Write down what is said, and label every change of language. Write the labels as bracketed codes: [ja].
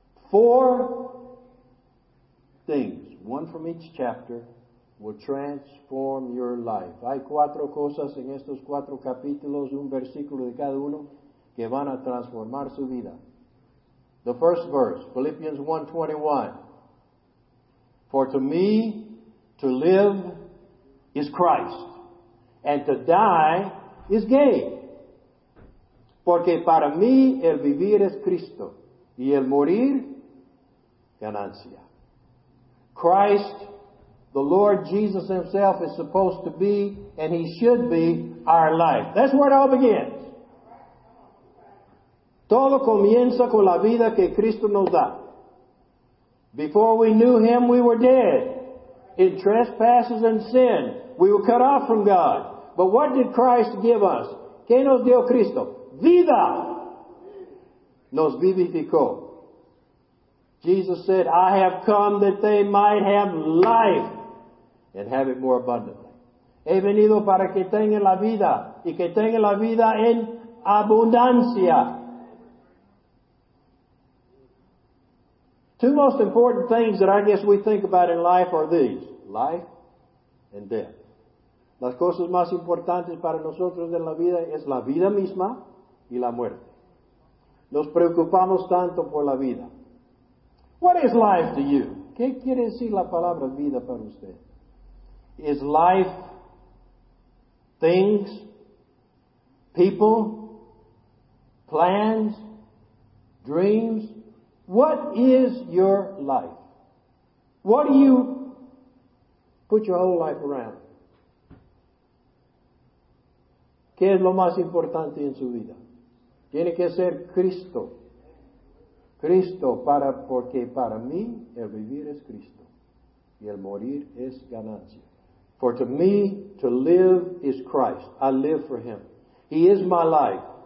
[en] Four things, one from each chapter, will transform your life. [es] Hay cuatro cosas en estos cuatro capítulos, un versículo de cada uno, que van a transformar su vida. [en] The first verse, Philippians 1:21. For to me, to live is Christ, and to die is gain. [es] Porque para mí, el vivir es Cristo, y el morir, ganancia. [en] Christ, the Lord Jesus Himself, is supposed to be, and He should be, our life. That's where it all begins. [es] Todo comienza con la vida que Cristo nos da. [en] Before we knew Him, we were dead. In trespasses and sin, we were cut off from God. But what did Christ give us? [es] ¿Qué nos dio Cristo? Vida! Nos vivificó. [en] Jesus said, I have come that they might have life. And have it more abundantly. [es] He venido para que tenga la vida. Y que tenga la vida en abundancia. [en] Two most important things that I guess we think about in life are these. Life and death. [es] Las cosas más importantes para nosotros en la vida es la vida misma y la muerte. Nos preocupamos tanto por la vida. [en] What is life to you? [es] ¿Qué quiere decir la palabra vida para usted? [en] Is life things, people, plans, dreams? What is your life? What do you put your whole life around? [es] ¿Qué es lo más importante en su vida? Tiene que ser Cristo. Cristo, porque para mí el vivir es Cristo y el morir es ganancia. [en] For to me, to live is Christ. I live for Him. He is my life.